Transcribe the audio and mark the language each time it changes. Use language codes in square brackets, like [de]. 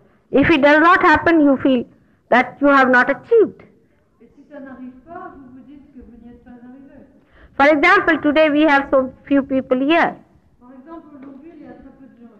[en] If it does not happen, you feel that you have not achieved. [fr] Et si ça n'arrive pas, vous vous dites que vous n'y êtes pas arrivé. [en] For example, today we have so few people here. [fr] Par exemple, aujourd'hui, il y a très peu de gens